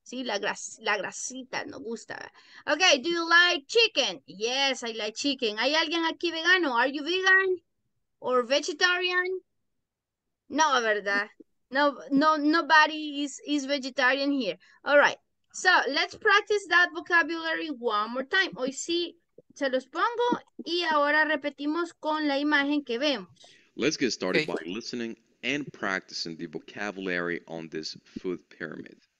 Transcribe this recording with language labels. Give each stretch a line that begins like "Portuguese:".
Spanish: Sí, la grasita, no gusta.
English: Okay, do you like chicken? Yes, I like chicken.
Spanish: ¿Hay alguien aquí vegano?
English: Are you vegan or vegetarian?
Spanish: No, verdad.
English: No, no, nobody is vegetarian here. All right. So let's practice that vocabulary one more time.
Spanish: Hoy sí se los pongo y ahora repetimos con la imagen que vemos.
English: Let's get started by listening and practicing the vocabulary on this food pyramid.